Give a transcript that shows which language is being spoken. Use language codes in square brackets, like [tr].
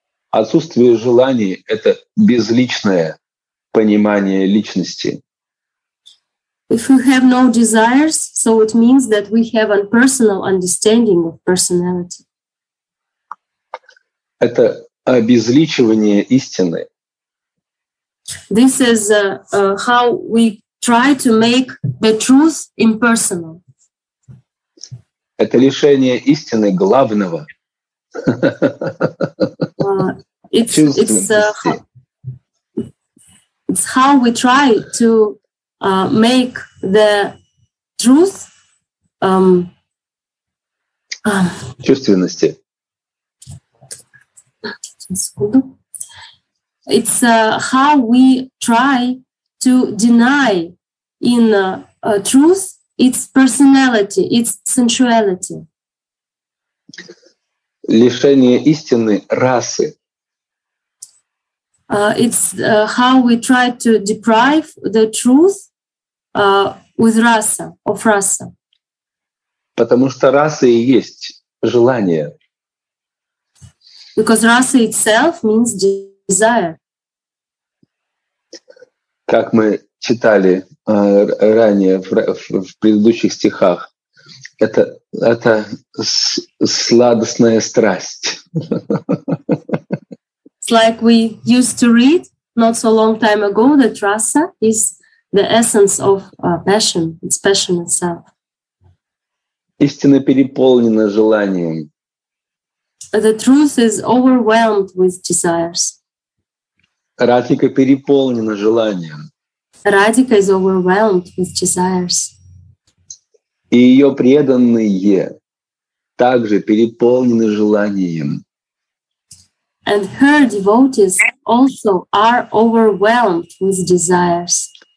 [ru] Отсутствие желаний — это безличное понимание личности. [en] If we have no desires, so it means that we have an personal understanding of personality. [ru] Это обезличивание истины. [en] This is how we try to make the truth impersonal. [ru] Это лишение истины главного. [en] It's how we try to make the truth [ru] чувственности. [en] It's how we try to deny in truth its personality, its sensuality. [ru] Лишение истины расы. [en] It's how we try to deprive the truth with rasa, of rasa. [ru] Потому что раса и есть желание. [en] Because rasa itself means desire. [ru] Как мы читали ранее в предыдущих стихах, это сладостная страсть. [en] It's like we used to read not so long time ago that rasa is the essence of passion. It's passion itself. [ru] Истина переполнена желанием. [en] The truth is overwhelmed with desires. [ru] Радхика переполнена желанием. [en] Радхика is overwhelmed with desires. [ru] И ее преданные также переполнены желанием. [en] And her devotees also are overwhelmed with desires.